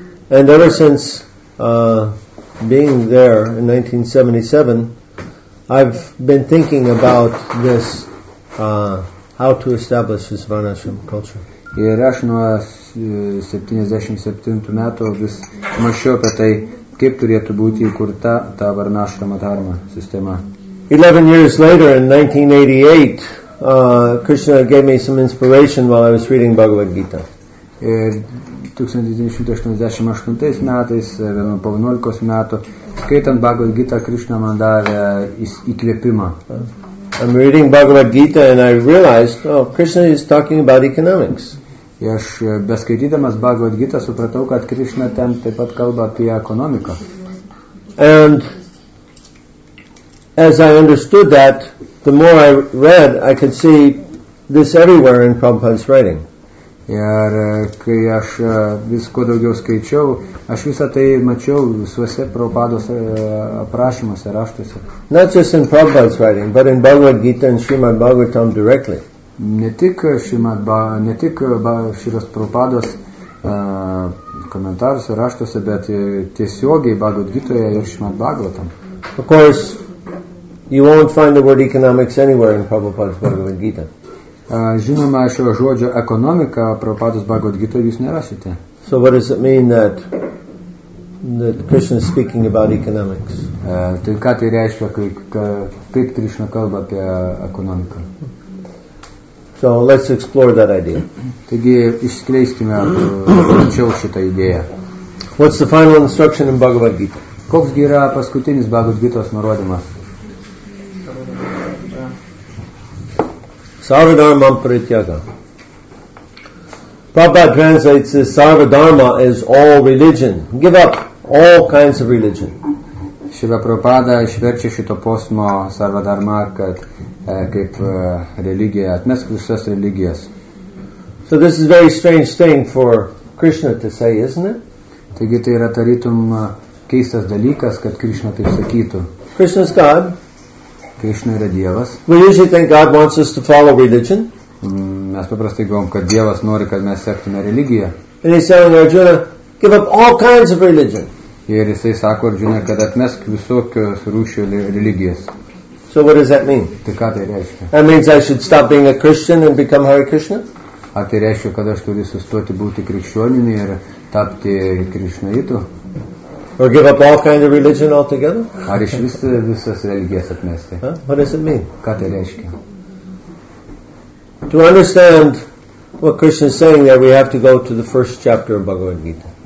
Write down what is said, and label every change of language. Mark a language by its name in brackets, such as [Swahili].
[English] And ever since being there in 1977, I've been thinking about this, how to establish this Varnashram culture. [Lithuanian] Ir aš nuo 77 metų vis mašiau apie tai, kaip turėtų būti įkurta ta Varnashrama dharma sistema. [English] 11 years later, in 1988, Krishna gave me some inspiration while I was reading Bhagavad Gita. [Lithuanian] 1988 metais, 11-12 metų, skaitant Bhagavad Gita, Krishna man davė įkvėpimą. [English] I'm reading Bhagavad Gita and I realized, oh, Krishna is talking about economics. [Lithuanian] Aš beskaitydamas Bhagavad Gita supratau, kad Krishna ten taip pat kalba apie ekonomiką. [English] And as I understood that, the more I read, I could see this everywhere in Prabhupada's writing. [Lithuanian] Ir kai aš visko daugiau skaičiau, aš visą tai mačiau visuose Prabhupados aprašymuose, raštuose. [English] Not just in Prabhupada's writing, but in Bhagavad Gita and Srimad Bhagavatam directly. [Lithuanian] Ne tik Šilas Prabhupados komentaruose, raštuose, bet tiesiogiai Bhagavad Gitoje ir Šrimad Bhagavatam. [English] Of course, you won't find the word economics anywhere in Prabhupada's Bhagavad Gita. [Lithuanian] Žinoma, šio žodžio ekonomika Prabhupados Bhagavad Gita jūs nerasite. [English] So what does it mean that Krishna is speaking about economics? [Lithuanian] Tai ką tai reiškia, kaip Krishna kalba apie ekonomiką? [English] So let's explore that idea. [Lithuanian] Taigi išskleiskime čiau šitą idėją. [English] What's the final instruction in Bhagavad Gita? [Lithuanian] Koks yra paskutinis Bhagavad Gitos nurodymas? [Sanskrit] Sarvadharma Parityaga. [English] Prabhupada translates this Sarvadharma as all religion. Give up all kinds of religion. [Lithuanian] Šiva Prabhupada išverčia šito posmo Sarvadharma, kad kaip religija, atmesk visas religijas. [English] So this is a very strange thing for Krishna to say, isn't it? [Lithuanian] Taigi tai yra tarytum keistas dalykas, kad Krishna taip sakytų. [English] Krishna's God. [Lithuanian] Krishna yra Dievas. [English] We usually think God wants us to follow religion. [Lithuanian] Mes paprastai galvom, kad Dievas nori, kad mes sektume religiją. [English] And he's telling Arjuna, give up all kinds of religion. [Lithuanian] Ir jisai sako Arjuna, kad atmesk visokios rūšių religijas. [English] So what does that mean? [Lithuanian] Tai ką tai reiškia? [English] That means I should stop being a Christian and become Hare Krishna? [Lithuanian] Ar tai reiškia, kad aš turiu sustoti būti krikščionimi ir tapti krišnaitu? [English] Or give up all kinds of religion altogether? [Lithuanian] Ar iš visas religijas atmesti? [English] What does it mean? [Lithuanian] Ką tai reiškia? [English] To understand what Krishna is saying there, we have to go to the first chapter of Bhagavad Gita.